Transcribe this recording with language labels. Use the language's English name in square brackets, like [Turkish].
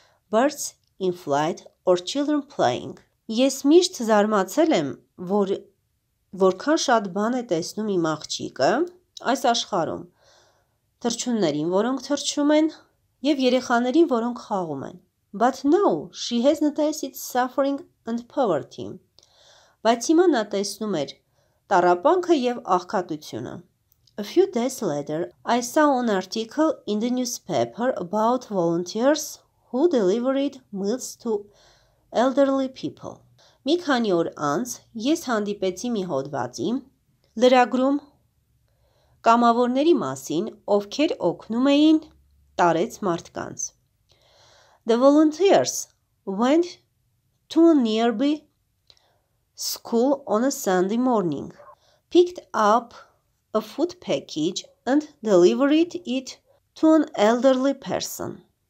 [English] Birds in flight or children playing. [Armenian] Ես միշտ զարմացել եմ, որ որքան շատ բան է տեսնում իմ աղջիկը այս աշխարում, թռչուններին, որոնք թռչում են, և երեխաներին, որոնք խաղում են. [English] But now she has noticed its suffering and poverty. [Armenian] Բայց հիմա նա տեսնում էր տառապանքը և աղքատությունը. [English] A few days later, I saw an article in the newspaper about volunteers who delivered meals to elderly people. [Armenian] Մի քանի օր անց ես հանդիպեցի մի հոդվածի լրագրում կամավորների մասին, ովքեր օգնում էին տարեց մարդկանց. [English] The volunteers went to a nearby school on a Sunday morning, picked up a food package and delivered it to an elderly person.